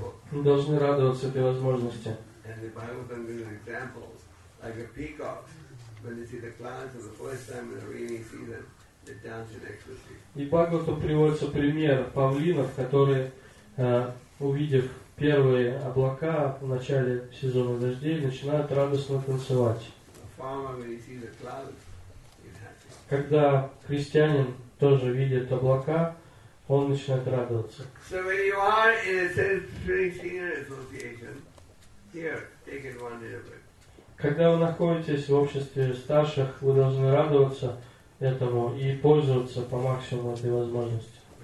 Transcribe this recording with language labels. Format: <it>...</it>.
<ru>Мы должны радоваться этой возможности.</ru> <en>And the Bhagavatam gives an example, like a peacock, when they see the clouds for the first time in the rainy season, they dance in ecstasy.</en> <ru>И Бхагавату приводится пример павлинов, которые, увидев первые облака в начале сезона дождей, начинают радостно танцевать.</ru> <en>A farmer, when he sees the clouds, he's happy.</en> <ru>Когда крестьянин тоже видит облака, он начинает радоваться.</ru> <en>So when you are in a sensory senior association, here, take advantage of it.</en> <ru>Когда вы находитесь в обществе старших, вы должны радоваться этому и пользоваться по максимуму этой возможности.</ru>